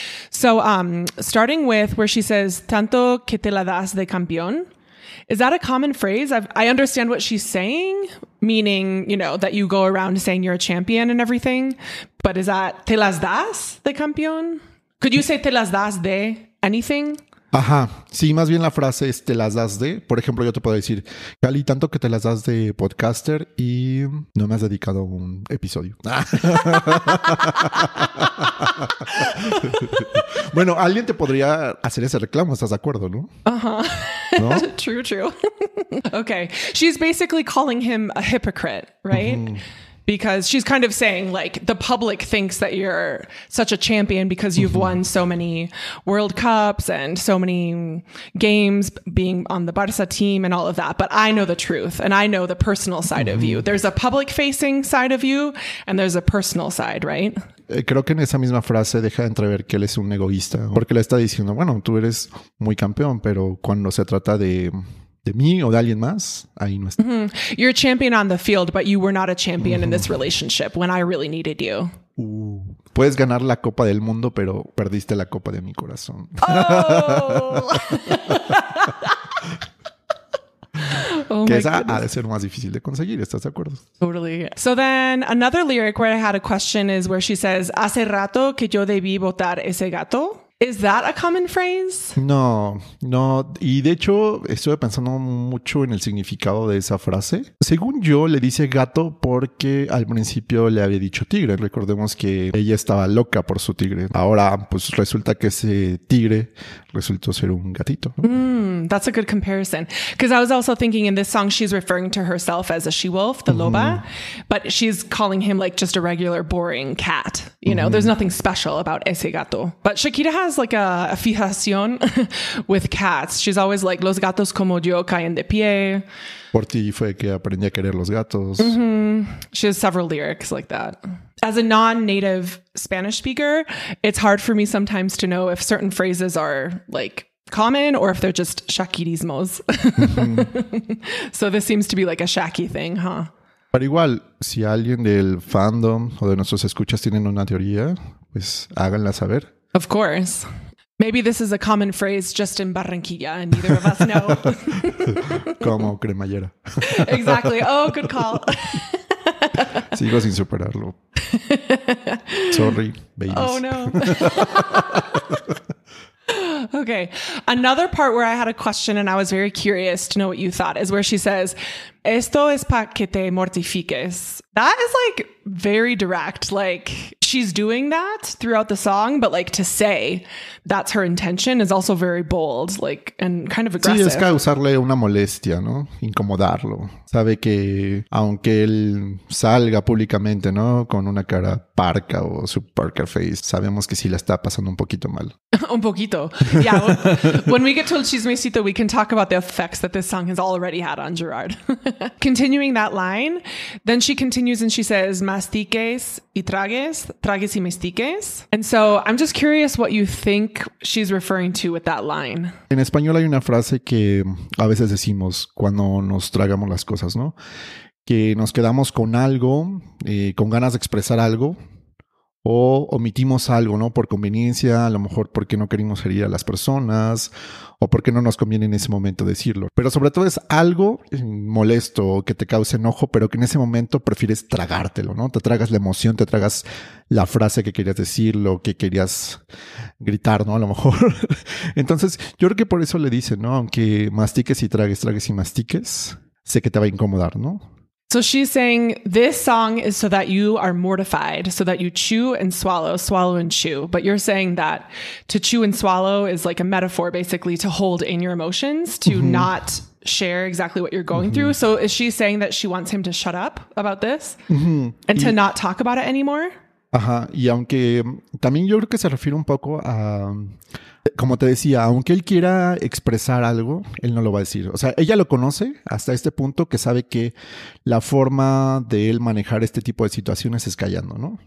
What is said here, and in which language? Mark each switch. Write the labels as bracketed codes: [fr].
[en] So starting with where she says, [es] tanto que te la das de campeón, [en] is that a common phrase? I understand what she's saying, meaning, you know, that you go around saying you're a champion and everything, but is that [es] te las das de campeón? [en] Could you say [es] te las das de [en] anything? [es] Ajá, sí, más bien la frase es te las das de, por ejemplo, yo te puedo decir, Cali, tanto que te las das de podcaster y no me has dedicado un episodio. Bueno, alguien te podría hacer ese reclamo, ¿estás de acuerdo, no? Ajá, ¿no? [en] True, true. Okay, she's basically calling him a hypocrite, right? Mm-hmm. Because she's kind of saying, like, the public thinks that you're such a champion because you've mm-hmm. won so many World Cups and so many games being on the Barca team and all of that. But I know the truth and I know the personal side mm-hmm. of you. There's a public-facing side of you and there's a personal side, right? [es] Creo que en esa misma frase deja de entrever que él es un egoísta. Porque le está diciendo, bueno, tú eres muy campeón, pero cuando se trata de... de mí o de alguien más, ahí no está. Mm-hmm. [en] You're a champion on the field, but you were not a champion mm-hmm. in this relationship when I really needed you. [es] Puedes ganar la Copa del Mundo, pero perdiste la Copa de mi corazón. Oh. Oh, que esa ha de ser más difícil de conseguir, ¿estás de acuerdo? [en] Totally. So then another lyric where I had a question is where she says, [es] hace rato que yo debí botar ese gato. [en] Is that a common phrase? [es] No, no. Y de hecho, estuve pensando mucho en el significado de esa frase. Según yo, le dice gato porque al principio le había dicho tigre. Recordemos que ella estaba loca por su tigre. Ahora, pues resulta que ese tigre resultó ser un gatito. [en] Mm, that's a good comparison. Because I was also thinking in this song, she's referring to herself as a she-wolf, the loba. But she's calling him like just a regular boring cat. You know, there's nothing special about [es] ese gato. [en] But Shakira has like a fijación with cats. She's always like, [es] los gatos como yo caen de pie. Por ti fue que aprendí a querer los gatos. [en] Mm-hmm. She has several lyrics like that. As a non-native Spanish speaker, it's hard for me sometimes to know if certain phrases are like common or if they're just shakirismos. Mm-hmm. So this seems to be like a shaky thing, huh? [es] Pero igual, si alguien del fandom o de nuestros escuchas tienen una teoría, pues háganla saber. [en] Of course. Maybe this is a common phrase just in Barranquilla and neither of us know. [es] Como cremallera. [en] Exactly. Oh, good call. [es] Sigo sin superarlo. [en] Sorry, babies. Oh, no. Okay. Another part where I had a question and I was very curious to know what you thought is where she says, [es] esto es pa' que te mortifiques. [en] That is like very direct. Like she's doing that throughout the song, but like to say that's her intention is also very bold, like, and kind of aggressive. [es] Sí, es causarle una molestia, ¿no? Incomodarlo. Sabe que aunque él salga públicamente, ¿no? Con una cara parca o su parker face, sabemos que sí la está pasando un poquito mal. Un poquito. [en] Yeah. When we get to el chismecito, we can talk about the effects that this song has already had on Gerard. Continuing that line, then she continues and she says, [es] mastiques y tragues, tragues y mastiques. [en] And so I'm just curious what you think she's referring to with that line. [es] En español hay una frase que a veces decimos cuando nos tragamos las cosas, ¿no? Que nos quedamos con algo, con ganas de expresar algo, o omitimos algo, ¿no? Por conveniencia, a lo mejor porque no queremos herir a las personas o porque no nos conviene en ese momento decirlo. Pero sobre todo es algo molesto que te cause enojo, pero que en ese momento prefieres tragártelo, ¿no? Te tragas la emoción, te tragas la frase que querías decir, lo que querías gritar, ¿no? A lo mejor. Entonces, yo creo que por eso le dice, ¿no? Aunque mastiques y tragues, tragues y mastiques, sé que te va a incomodar, ¿no? [en] So she's saying this song is so that you are mortified, so that you chew and swallow, swallow and chew. But you're saying that to chew and swallow is like a metaphor, basically, to hold in your emotions, to mm-hmm. not share exactly what you're going mm-hmm. through. So is she saying that she wants him to shut up about this mm-hmm. and to not talk about it anymore? [es] Ajá. Y aunque también yo creo que se refiere un poco a, como te decía, aunque él quiera expresar algo, él no lo va a decir. O sea, ella lo conoce hasta este punto que sabe que la forma de él manejar este tipo de situaciones es callando, ¿no?